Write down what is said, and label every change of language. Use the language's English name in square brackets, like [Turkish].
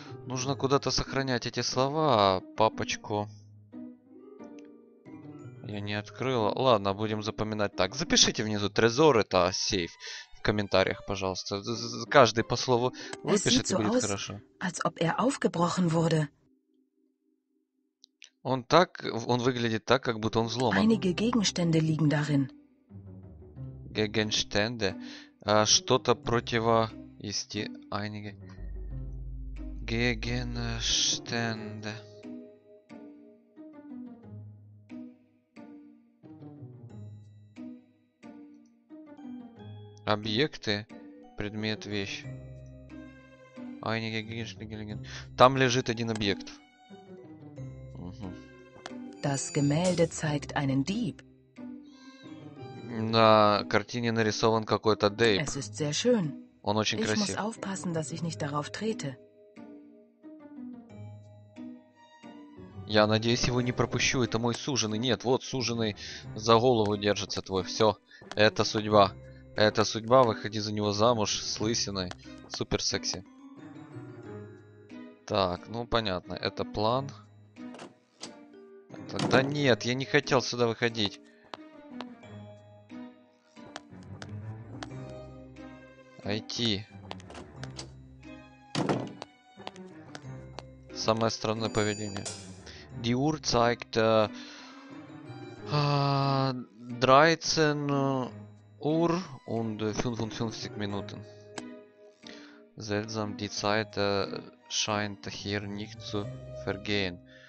[Russian] Нужно куда-то сохранять эти слова. Папочку я не открыла. Ладно, будем запоминать так. Запишите внизу трезор, это сейф, в комментариях, пожалуйста. Каждый по слову выпишет, будет хорошо. [German] Als ob er aufgebrochen wurde. [Russian] Он выглядит так, как будто он взломан. [German] Einige Gegenstände liegen darin. [Russian] Gegenstände. Что-то противоести. Einige. [German] Gegenstände. [Russian] Объекты, предмет, вещь. [German] Einige Gegenstände. [Russian] Там лежит один объект. [German] Das Gemälde zeigt einen Dieb. [Russian] На картине нарисован какой-то Дейб. [German] Es ist sehr schön. [Russian] Он очень [German] ich [Russian] красив. [German] Muss aufpassen, dass ich nicht darauf trete. [Russian] Я надеюсь, его не пропущу. Это мой суженый. Нет, вот суженый за голову держится твой. Все, это судьба. Это судьба, выходи за него замуж с лысиной. Супер секси. Так, ну понятно, это план. Да нет, я не хотел сюда выходить. [English] IT. [Russian] Самое странное поведение. [German] Die Uhr zeigt 13 Uhr und 55 Minuten. Seltsam, die Zeit scheint hier nicht zu vergehen.